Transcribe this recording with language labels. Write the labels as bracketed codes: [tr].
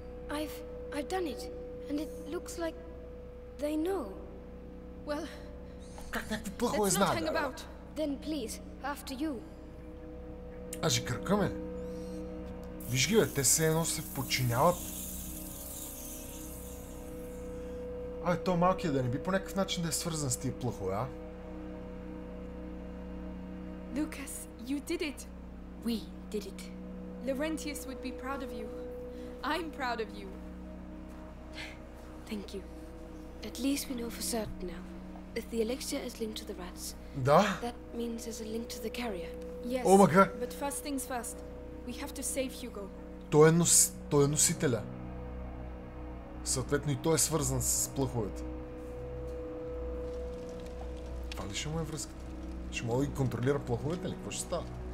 [en] I've done it, and it looks like they know. Well, [bg] как някакви плахове знаят? [en] Let's not hang about. Then please, after you. [bg] Аз ги кръкаме. Виж ги, бе, те все едно се подчиняват. Абе, той малкият да не би по някакъв начин да е свързан с тия плахове, а? [en] Lucas, you did it. We did it. Laurentius would be proud of you. I'm proud of you. Thank you. At least we know for certain now. If the elixir is linked to the rats, [bg] да? [en] That means there's a link to the carrier. Yes, but first things first. We have to save Hugo. [bg] Той е носителя. Съответно и той е свързан с плъховете. Това ли ще му е връзката? Ще мога да ги контролира плъховете ли? Какво ще става?